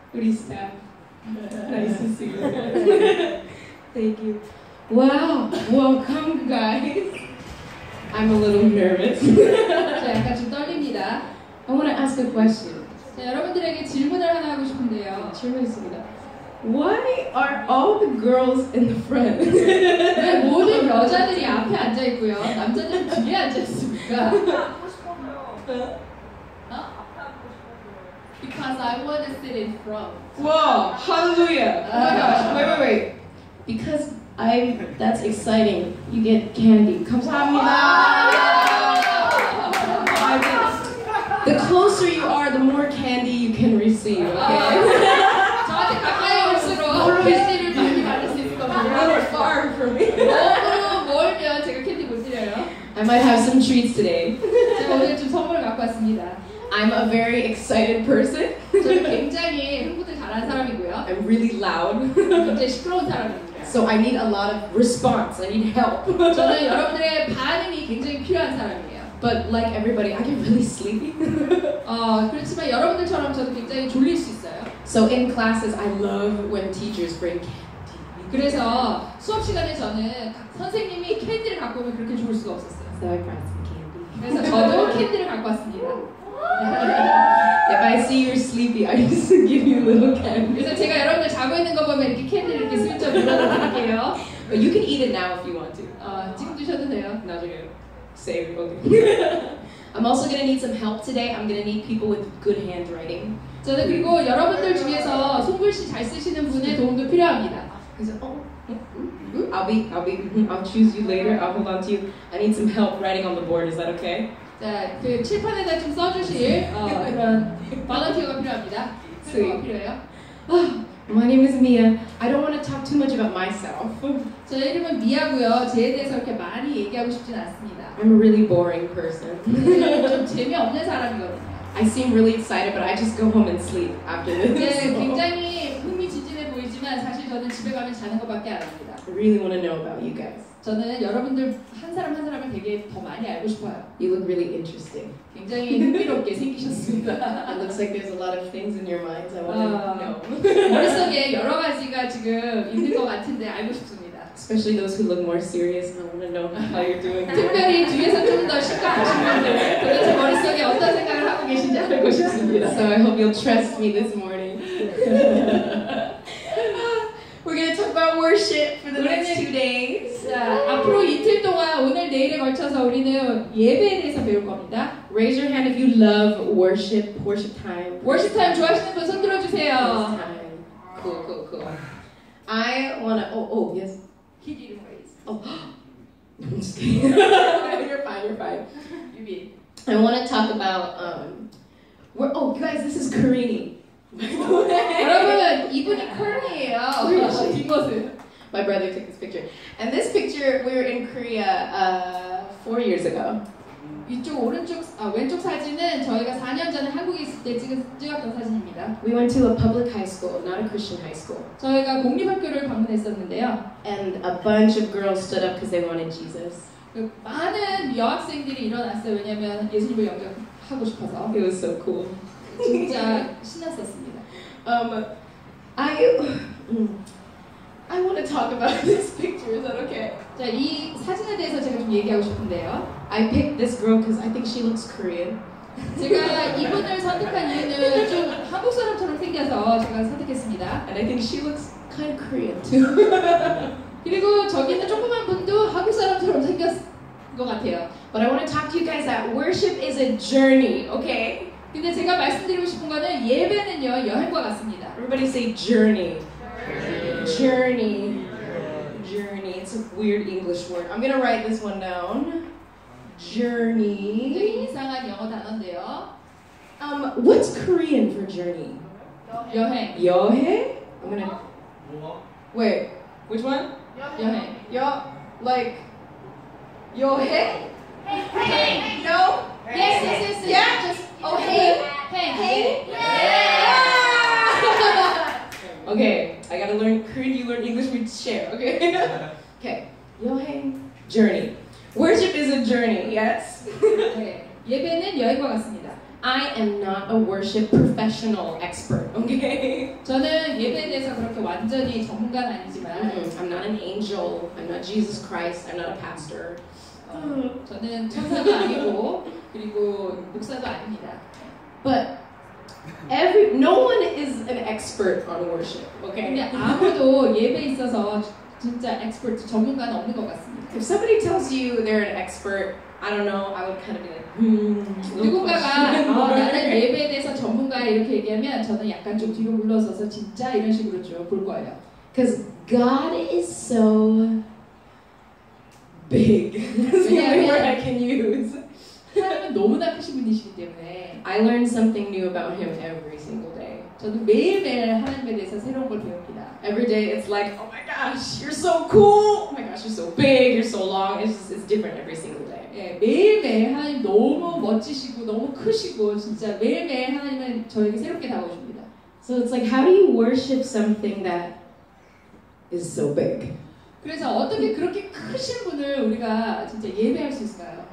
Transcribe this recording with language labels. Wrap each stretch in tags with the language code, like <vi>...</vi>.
<ko>우리 스태프.</ko> <en>Nice to see you. Thank you. Wow, welcome, guys. I'm a little nervous.</en> <ko>약간 좀 떨립니다.</ko> <en>I want to ask a question.</en> <ko>자, 여러분들에게 질문을 하나 하고 싶은데요. 네, 질문 있습니다.</ko> <en>Why are all the girls in the front?</en> <ko>왜 모든 여자들이 앞에 앉아 있고요, 남자들은 뒤에 앉아 있습니까? 앞에 앉고 싶어요. 어? 앞에 앉고 싶어요.</ko> <en>Because I want to sit in front. Wow, hallelujah. Oh my gosh, wait. Because that's exciting. You get candy.</en> <ko>감사합니다.</ko> <en>The closer you are, the more candy you can receive, okay?</en> <ko>저한테 가까이 올수록 캔디를 많이 받을 수 있을 겁니다.</ko> <en>More far for me.</en> <ko>너무 멀면 제가 캔디 못 드려요.</ko> <en>I might have some treats today.</en> <ko>제가 오늘 좀 선물을 갖고 왔습니다.</ko> <en>I'm a very excited person.</en> <ko>저는 굉장히 흥분을 잘하는 사람이고요.</ko> <en>I'm really loud.</en> <ko>굉장히 시끄러운 사람입니다.</ko> <en>So I need a lot of response. I need help.</en> <ko>저는 여러분들의 반응이 굉장히 필요한 사람입니다.</ko> <en>But like everybody, I get really sleepy.</en> <ko>그렇지만 여러분들처럼 저도 굉장히 졸릴 수 있어요.</ko> <en>So in classes, I love when teachers bring candy.</en> <ko>그래서 수업 시간에 저는 선생님이 캔디를 갖고 오면 그렇게 좋을 수가 없었어요.</ko> <en>So I brought some candy.</en> <ko>그래서 저도 캔디를 갖고 왔습니다.</ko> <en>If I see you're sleepy, I just give you a little candy.</en> <ko>그래서 제가 여러분들 자고 있는 거 보면 이렇게 캔디를 이렇게 슬쩍 물어드릴게요.</ko> <en>But you can eat it now if you want to.</en> <ko>지금 드셔도 돼요. 나중에.</ko> <en>Save. I'm also gonna need some help today. I'm gonna need people with good handwriting.</en> <ko>저는 그리고 여러분들 중에서 손글씨 잘 쓰시는 분의 도움도 필요합니다.</ko> <en>그래서 I'll choose you later. I'll hold on to you. I need some help writing on the board. Is that okay?</en> <ko>자, 그 칠판에다 좀 써주실 그런 volunteer가 필요합니다. 필요해요.</ko> <en>My name is Mia. I don't want to talk too much about myself.</en> <ko>제 이름은 미아고요. 제에 대해서 이렇게 많이 얘기하고 싶진 않습니다.</ko> <en>I'm a really boring person.</en> <ko>좀 재미없는 사람이거든요.</ko> <en>I seem really excited, but I just go home and sleep after this.</en> <ko>네, 굉장히 흥미진진해 보이지만 사실 저는 집에 가면 자는 것밖에 안 합니다.</ko> <en>I really want to know about you guys.</en> <ko>저는 여러분들 한 사람 한 사람을 되게 더 많이 알고 싶어요.</ko> <en>You look really interesting.</en> <ko>굉장히 흥미롭게 생기셨습니다.</ko> <en>It looks like there's a lot of things in your mind. I want to know.</en> <ko>머릿속에 여러 가지가 지금 있는 것 같은데 알고 싶습니다.</ko> <en>Especially those who look more serious, I want to know how you're doing.</en> <ko>특별히 뒤에서 좀 더 시끄러우신 분들, 도대체 머릿속에 어떤 생각을 하고 계신지 알고 싶습니다.</ko> <en>So I hope you'll trust me this morning. We're going to talk about worship for the next 2 days.</en> <ko>앞으로 이틀 동안 오늘 내일에 걸쳐서 우리는 예배에 대해서 배울 겁니다.</ko> <en>Raise your hand if you love worship, worship time.</en> <ko>Worship time 좋아하시는 분 손 들어주세요.</ko> <en>Cool. I want to, yes. You're fine. I want to talk about you guys, this is Karini.</en> <ko>여러분, 이분이 Karini예요.</ko> <en>My brother took this picture. And this picture, we were in Korea 4 years ago.</en> <ko>이쪽 오른쪽 왼쪽 사진은 저희가 4년 전에 한국에 있을 때 찍었던 사진입니다.</ko> <en>We went to a public high school, not a Christian high school.</en> <ko>저희가 공립 학교를 방문했었는데요.</ko> <en>And a bunch of girls stood up because they wanted Jesus.</en> <ko>많은 여학생들이 일어났어요. 왜냐면 예수님을 영접하고 싶어서.</ko> <en>It was so cool.</en> <ko>진짜 신났었습니다.</ko> <en>I I want to talk about this picture. Is that okay?</en> <ko>자, 이 사진에 대해서 제가 좀 얘기하고 싶은데요.</ko> <en>I picked this girl because I think she looks Korean.</en> <ko>제가 이분을 선택한 이유는 좀 한국 사람처럼 생겨서 제가 선택했습니다.</ko> <en>And I think she looks kind of Korean too.</en> <ko>그리고 저기 있는 조그만 분도 한국 사람처럼 생겼 것 같아요.</ko> <en>But I want to talk to you guys that worship is a journey, okay?</en> <ko>근데 제가 말씀드리고 싶은 거는 예배는요 여행과 같습니다.</ko> <en>Everybody say journey. Journey. Journey. It's a weird English word. I'm gonna write this one down. Journey.</en> <ko>되게 이상한 영어 단어인데요.</ko> <en>What's Korean for journey?</en> <ko>여행.</ko> <en>여행? I'm gonna.</en> <ko>뭐?</ko> <en>Wait. Which one?</en> <ko>여행. 여. Like. 여행?</ko> <en>Hey, hey. No. Hey. Yes, yes, yes, yes. Yeah. Just, oh, hey. Hey. Hey. Yeah. Yeah. Okay. I gotta learn Korean. You learn English. We share. Okay. Okay. 여행. Journey. Worship is a journey. Yes. Okay.</en> <ko>예배는 여행과 같습니다.</ko> <en>I am not a worship professional expert. Okay.</en> <ko>저는 예배에 대해서 그렇게 완전히 전문가는 아니지만.</ko> <en>I'm not an angel. I'm not Jesus Christ. I'm not a pastor.</en> <ko>저는 천사도 아니고 그리고 목사도 아닙니다.</ko> <en>But every no one is an expert on worship. Okay.</en> <ko>근데 아무도 예배에 있어서 진짜 expert 전문가는 없는 것 같습니다.</ko> <en>If somebody tells you they're an expert, I don't know. I would kind of be like,</en> <ko>누군가가 나는 예배에 대해서 전문가야 이렇게 얘기하면 저는 약간 좀 뒤로 물러서서 진짜 이런 식으로 좀 볼 거예요.</ko> <en>Because God is so big. That's the only word I can use.</en> <ko>하나님은 너무나 크신 분이시기 때문에.</ko> <en>I learn something new about Him every single day.</en> <ko>저도 매일매일 하나님에 대해서 새로운 걸 배웁니다.</ko> <en>Every day it's like, oh my gosh, you're so cool. Oh my gosh, you're so big. You're so long. It's different every single day.</en> <ko>예, 매일매일 하나님 너무 멋지시고 너무 크시고 진짜 매일매일 하나님은 저에게 새롭게 다가오십니다.</ko> <en>So it's like, how do you worship something that is so big?</en> <ko>그래서 어떻게 그렇게 크신 분을 우리가 진짜 예배할 수 있을까요?</ko>